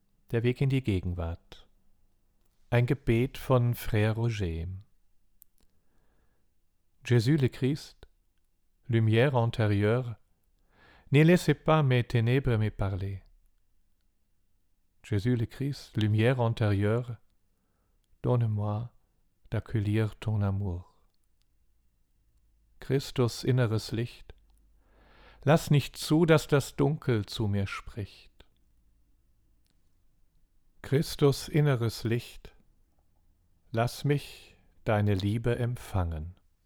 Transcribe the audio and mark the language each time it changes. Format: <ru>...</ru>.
<de>Der Weg in die Gegenwart. Ein Gebet von Frère Roger.</de> <fr>Jésus le Christ, lumière intérieure, ne laissez pas mes ténèbres me parler. Jésus le Christ, lumière intérieure, donne-moi d'accueillir ton amour.</fr> <de>Christus, inneres Licht, lass nicht zu, dass das Dunkel zu mir spricht. Christus, inneres Licht, lass mich deine Liebe empfangen.</de>